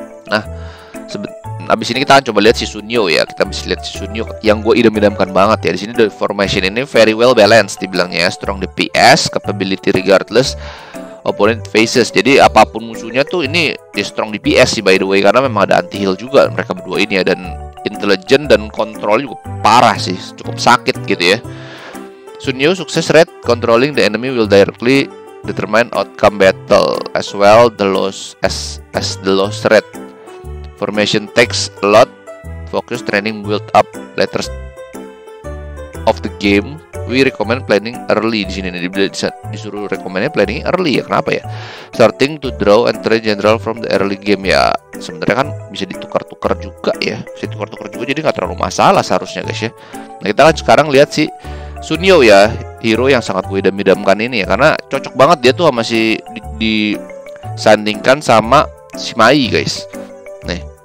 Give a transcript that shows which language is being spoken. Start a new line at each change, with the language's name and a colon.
Indonesian: Nah, abis ini kita akan coba lihat si Sun Yeo ya. Kita bisa lihat si Sun Yeo yang gue idam-idamkan banget ya. Di sini the formation ini
English: very well balanced
Indonesian: dibilangnya,
English: strong DPS, capability regardless opponent faces.
Indonesian: Jadi apapun musuhnya tuh ini dia strong DPS sih by the way, karena memang ada anti heal juga mereka berdua ini ya, dan intelligent dan kontrol juga parah sih, cukup sakit gitu ya.
English: Sun Yeo success rate controlling the enemy will directly determine outcome battle as well the loss as the loss rate. Formation takes a lot focus training build up later of the game. We recommend planning early.
Indonesian: Di sini nih disuruh rekomennya planning early ya. Kenapa ya?
English: Starting to draw and train general from the early game ya.
Indonesian: Sebenarnya kan bisa ditukar-tukar juga ya. Bisa ditukar-tukar juga, jadi nggak terlalu masalah seharusnya guys ya. Nah, kita kan sekarang lihat si Sun Yeo ya, hero yang sangat gue idam-idamkan ini ya, karena cocok banget dia tuh sama si disandingkan sama si Mai guys. Nih.